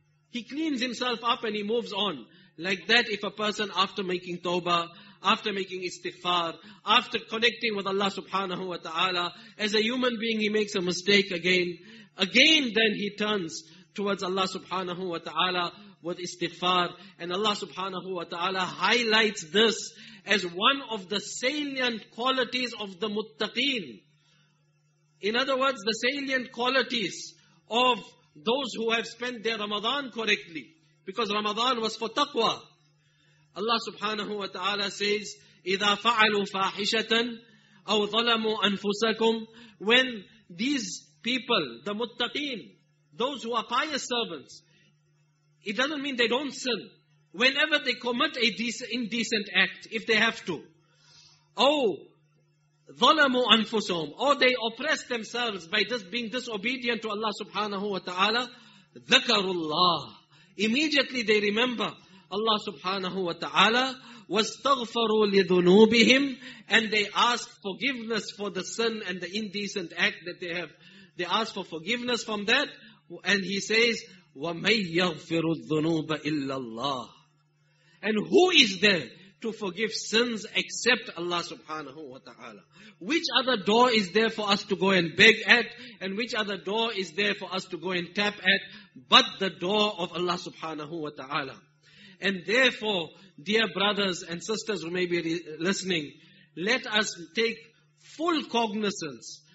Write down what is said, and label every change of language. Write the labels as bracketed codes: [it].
[en] He cleans himself up and he moves on. Like that, if a person after making tawbah, after making istighfar, after connecting with Allah subhanahu wa ta'ala, as a human being he makes a mistake again then he turns towards Allah subhanahu wa ta'ala with istighfar, and Allah subhanahu wa ta'ala highlights this as one of the salient qualities of the muttaqeen. In other words, the salient qualities of those who have spent their Ramadan correctly. Because Ramadan was for taqwa. [ar] Allah subhanahu wa ta'ala says, إِذَا فَعَلُوا فَاحِشَةً أَوْ ظَلَمُوا أَنفُسَكُمْ. [en] When these people, the muttaqeen, those who are pious servants, it doesn't mean they don't sin. Whenever they commit a indecent act, if they have to. [ar] ظَلَمُوا أَنفُسَهُمْ. [en] Or they oppress themselves by just being disobedient to Allah subhanahu wa ta'ala. [ar] ذَكَرُوا اللَّهِ. [en] Immediately they remember Allah subhanahu wa ta'ala. [ar] وَاسْتَغْفَرُوا لِذُنُوبِهِمْ. [en] And they ask forgiveness for the sin and the indecent act that they have. They ask for forgiveness from that. And he says, [ar] وَمَنْ يَغْفِرُ الذُّنُوبَ إِلَّا اللَّهِ. [en] And who is there to forgive sins except Allah subhanahu wa ta'ala? Which other door is there for us to go and beg at? And which other door is there for us to go and tap at? But the door of Allah subhanahu wa ta'ala. And therefore, dear brothers and sisters who may be listening, let us take full cognizance.